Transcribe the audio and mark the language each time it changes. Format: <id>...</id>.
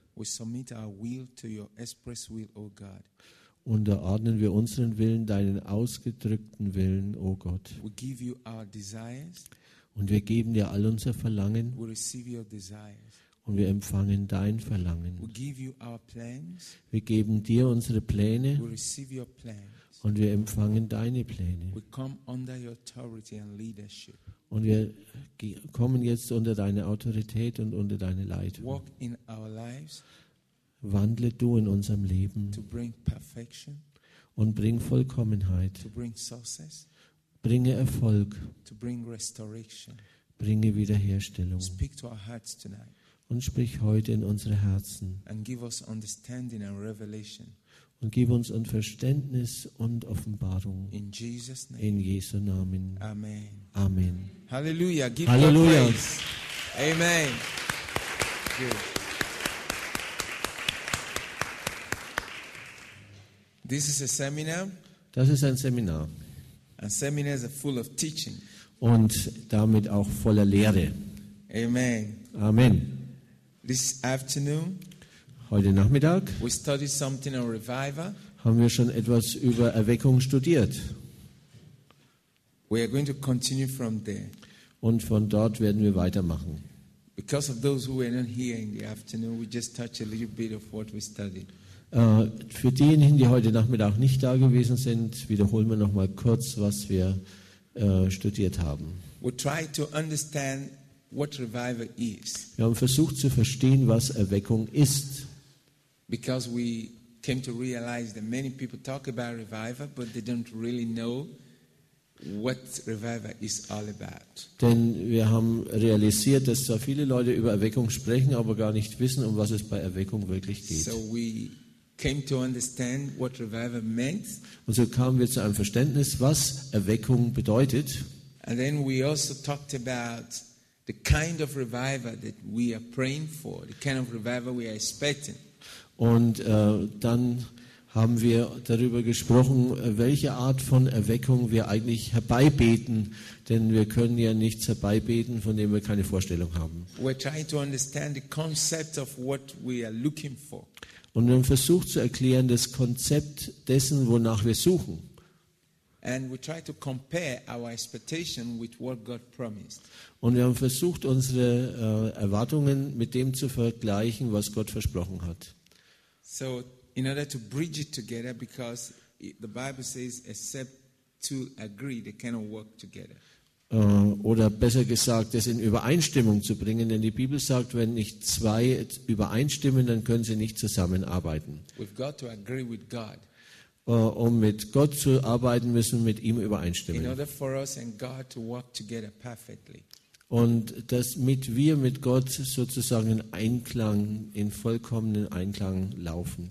<en>We submit our will to your express will, O God.</en> <de>Unterordnen wir unseren Willen, deinen ausgedrückten Willen, O Gott.</de> <en>We give you our desires.</en> <de>Und wir geben dir all unser Verlangen.</de> <en>We receive your desires.</en> <de>Und wir empfangen dein Verlangen.</de> <en>We give you our plans.</en> <de>Wir geben dir unsere Pläne.</de> <en>We receive your plans.</en> <de>Und wir empfangen deine Pläne.</de> <en>We come under your authority and leadership.</en> <de>Und wir kommen jetzt unter deine Autorität und unter deine Leitung.</de> <en>Walk in our lives.</en> <de>Wandle du in unserem Leben.</de> <en>To bring perfection.</en> <de>Und bring Vollkommenheit.</de> <en>To bring success.</en> <de>Bringe Erfolg.</de> <en>To bring restoration.</en> <de>Bringe Wiederherstellung.</de> <en>Speak to our hearts tonight.</en> <de>Und sprich heute in unsere Herzen.</de> <en>And give us understanding and revelation.</en> <de>Und gib uns ein Verständnis und Offenbarung.</de> <en>In Jesus</en> <de>name. In Jesu Namen.</de> <en>Amen.</en> <de>Amen.</de> <en>Hallelujah. Give Hallelujah. God praise. Amen. Good. This is a seminar.</en> <de>Das ist ein Seminar.</de> <en>And seminars are full of teaching.</en> <de>Und damit auch voller Lehre.</de> <en>Amen.</en> <de>Amen.</de> <en>This afternoon.</en> <de>Heute Nachmittag</de> <en>we studied something on revival.</en> <de>Haben wir schon etwas über Erweckung studiert.</de> <en>We are going to continue from there.</en> <de>Und von dort werden wir weitermachen.</de> <en>Because of those who were not here in the afternoon, we just touch a little bit of what we studied.</en> <de>Für diejenigen, die heute Nachmittag nicht da gewesen sind, wiederholen wir noch mal kurz, was wir studiert haben.</de> <en>We try to understand what revival is.</en> <de>Wir haben versucht zu verstehen, was Erweckung ist.</de> <en>Because we came to realize that many people talk about revival, but they don't really know what revival is all about.</en> <de>Denn wir haben realisiert, dass zwar viele Leute über Erweckung sprechen, aber gar nicht wissen, um was es bei Erweckung wirklich geht.</de> <en>So we came to understand what revival meant.</en> <de>Und so kamen wir zu einem Verständnis, was Erweckung bedeutet.</de> <en>And then we also talked about the kind of revival that we are praying for, the kind of revival we are expecting.</en> <de>Und dann haben wir darüber gesprochen, welche Art von Erweckung wir eigentlich herbeibeten, denn wir können ja nichts herbeibeten, von dem wir keine Vorstellung haben.</de> <en>We're trying to understand the concept of what we are looking for.</en> <de>Und wir haben versucht zu erklären das Konzept dessen, wonach wir suchen.</de> <en>And we try to compare our expectation with what God promised.</en> <de>Und wir haben versucht, unsere Erwartungen mit dem zu vergleichen, was Gott versprochen hat.</de> <en>So, in order to bridge it together, because the Bible says, except two agree, they cannot work together.</en> <de>Oder besser gesagt, es in Übereinstimmung zu bringen, denn die Bibel sagt, wenn nicht zwei übereinstimmen, dann können sie nicht zusammenarbeiten.</de> <en>We've got to agree with God.</en> <de>Um mit Gott zu arbeiten, müssen wir mit ihm übereinstimmen.</de> <en>In order for us and God to work together perfectly.</en> <de>Und damit wir mit Gott sozusagen in Einklang, in vollkommenen Einklang laufen.</de>